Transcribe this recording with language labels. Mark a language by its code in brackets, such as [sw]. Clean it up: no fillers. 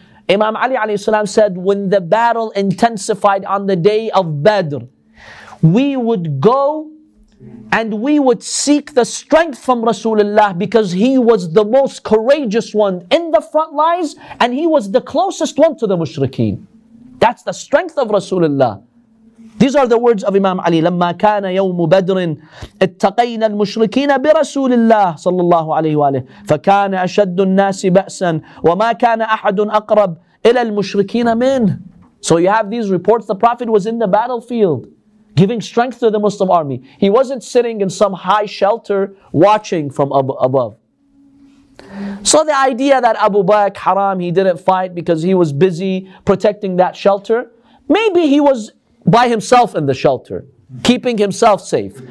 [en] Imam Ali alayhi salam said, when the battle intensified on the day of Badr, we would go and we would seek the strength from Rasulullah, because he was the most courageous one in the front lines and he was the closest one to the mushrikeen. That's the strength of Rasulullah. These are the words of Imam Ali. [ar] لما كان يوم بدر اتقينا المشركين برسول الله صلى الله عليه وآله فكان أشد الناس بأسا وما كان أحد أقرب إلى المشركين منه. [en] So you have these reports. The Prophet was in the battlefield giving strength to the Muslim army. He wasn't sitting in some high shelter watching from above. So the idea that Abu Bakr haram, he didn't fight because he was busy protecting that shelter, maybe he was by himself in the shelter, keeping himself safe.